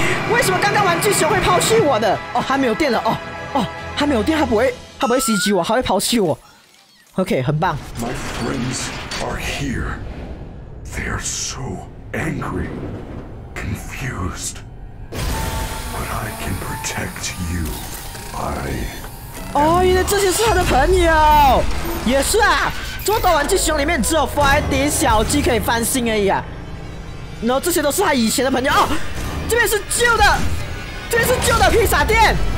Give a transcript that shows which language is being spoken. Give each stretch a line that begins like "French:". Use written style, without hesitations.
Chinese: 为什么刚刚玩具熊会抛弃我的？哦，还没有电了。哦哦，还没有电，它不会袭击我，它会抛弃我。 OK， 很棒。
English: My friends are here. They are so angry, confused. But I can protect you. I.
Chinese: 哦，原来这些是他的朋友。也是啊，这么多玩具熊里面只有 Freddy 小鸡可以翻新而已啊。然后这些都是他以前的朋友。哦，这边是旧的，这边是旧的披萨店。